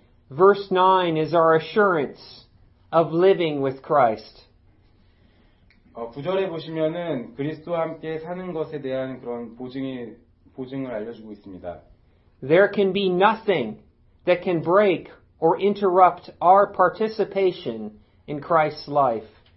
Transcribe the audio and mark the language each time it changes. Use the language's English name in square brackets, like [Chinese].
[English] Verse 9 is our assurance of living with Christ. [Korean] 9절에 보시면은 그리스도와 함께 사는 것에 대한 그런 보증을 알려주고 있습니다. [English] There can be nothing that can break or interrupt our participation in Christ's life.